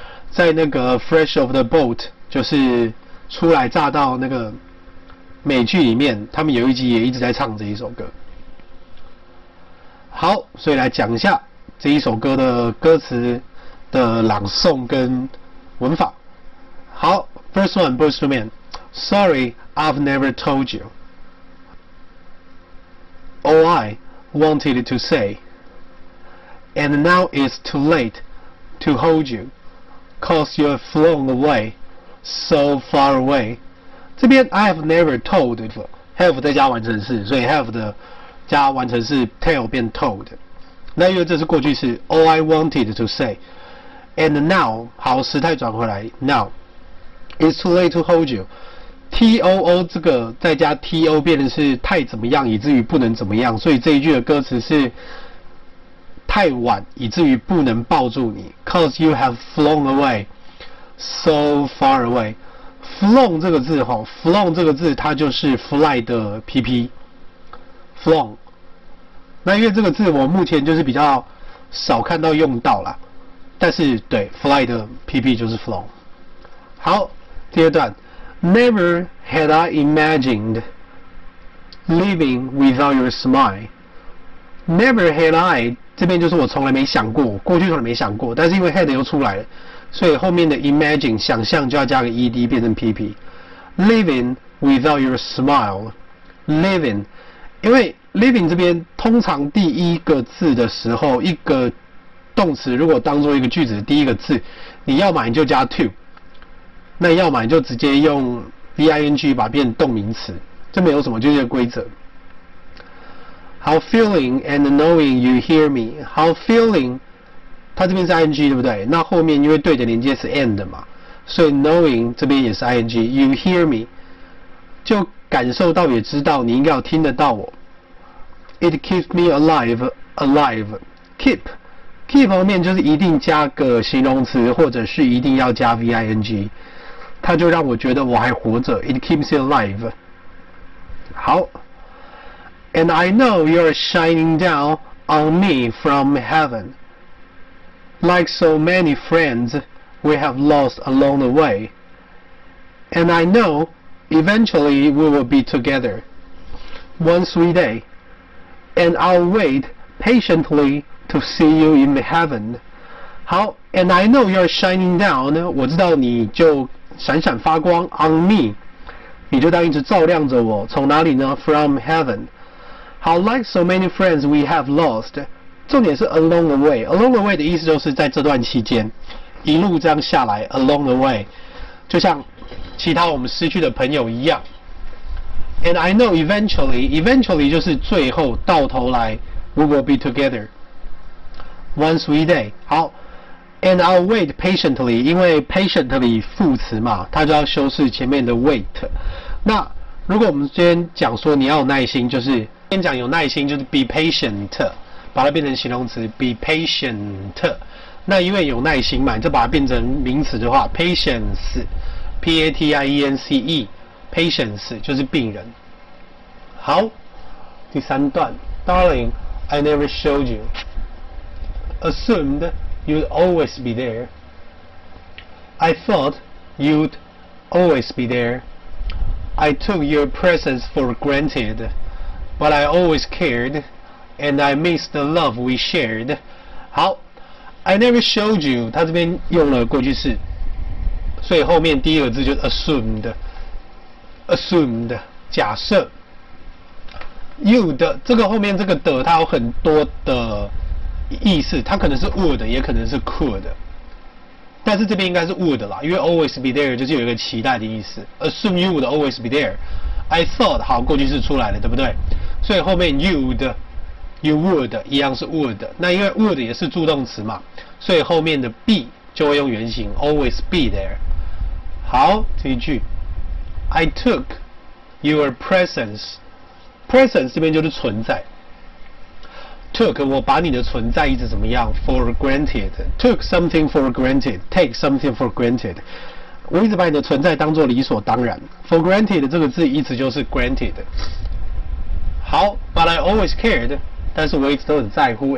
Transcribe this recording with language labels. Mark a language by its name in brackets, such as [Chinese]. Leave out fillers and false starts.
[Chinese] 在那个 Fresh of the Boat 就是初来乍到那个美剧里面，他们有一集也一直在唱这一首歌。好，所以来讲一下这一首歌的歌词的朗诵跟文法。 [English] 好 ，First one, Boyz II Men. Sorry, I've never told you. All I wanted to say, and now it's too late to hold you, 'cause you're flown away, so far away. [Chinese] 这边 I have never told have 再加完成式，所以 have 的加完成式 tell 变 told。那因为这是过去式， [English] All I wanted to say and now， [Chinese] 好，时态转回来， [English] now it's too late to hold you， [Chinese] T-O-O 这个再加 T-O 变成是太怎么样以至于不能怎么样，所以这一句的歌词是太晚以至于不能抱住你， [English] 'cause you have flown away so far awayflown [Chinese] 这个字齁， flown 这个字它就是 fly 的 pp flown。那因为这个字我目前就是比较少看到用到啦，但是对 fly 的 PP 就是 flow。 好，第二段 [English] Never had I imagined living without your smile。 Never had I [Chinese] 这边就是我从来没想过，过去从来没想过，但是因为 had 又出来了，所以后面的 imagine 想象就要加个 ed 变成 PP。 [English] Living without your smile。 [Chinese] Living， 因为 living 这边通常第一个字的时候，一个动词如果当作一个句子的第一个字，你要嘛你就加 to， 那要嘛你就直接用 ving 把它变动名词，这没有什么，就是一个规则。 [English] How feeling and knowing you hear me。 [Chinese] How feeling， 它这边是 ing 对不对，那后面因为对的连接是 and 嘛，所以 knowing 这边也是 ing。 [English] You hear me， [Chinese] 就感受到也知道，你应该要听得到我。 [English] It keeps me alive。 [Chinese] Alive， keep 后面就是一定加个形容词，或者是一定要加 ving， 它就让我觉得我还活着。 [English] It keeps me alive。好， And I know you're shining down on me from heaven like so many friends we have lost along the way。 And I know eventually we will be together one sweet day。 And I'll wait patiently to see you in heaven。 [Chinese] 好， [English] And I know you're shining down， [Chinese] 我知道你就闪闪发光。 [English] On me， [Chinese] 你就当一直照亮着我。从哪里呢？ [English] From heaven。 好， Like so many friends we have lost， [Chinese] 重点是 [English] along the way。 [Chinese] Along the way 的意思就是在这段期间一路这样下来。 Along the way 就像其他我们失去的朋友一样。 [English] And I know eventually， eventually [Chinese] 就是最后到头来。 [English] We will be together one sweet day。 [Chinese] 好， [English] And I'll wait patiently， [Chinese] 因为 patiently 副词嘛，它就要修饰前面的 wait。那如果我们今天讲说你要有耐心，就是今天讲有耐心就是 [English] be patient， [Chinese] 把它变成形容词 be patient。那因为有耐心嘛，你就把它变成名词的话， patience， P-A-T-I-E-N-C-E， patience 就是病人。 [English] 好，第三段 Darling I never showed youAssumed you'd always be there. I thought you'd always be there. I took your presence for granted, but I always cared, and I missed the love we shared. [Chinese] 好， [English] I never showed you， [Chinese] 他这边用了过去式，所以后面第一个字就是 assumed， 假设。 You'd， 这个后面这个的它有很多的意思，它可能是 would 也可能是 could， 但是这边应该是 would 啦，因为 [English] always be there [Chinese] 就是有一个期待的意思。 [English] Assume you would always be there。 [Chinese] I thought， 好，过去式出来了对不对，所以后面 you'd， you would 一样是 would， 那因为 would 也是助动词嘛，所以后面的 be 就会用原形 [English] always be there。 [Chinese] 好，这一句 [English] I took your presence， [Chinese] presence 这边就是存在。 Took， 我把你的存在一直怎么样 for granted， [English] took something for granted， take something for granted， [Chinese] 我一直把你的存在当作理所当然。 for granted 这个字一直就是 granted。好， [English] but I always cared， [Chinese] 但是我一直都很在乎。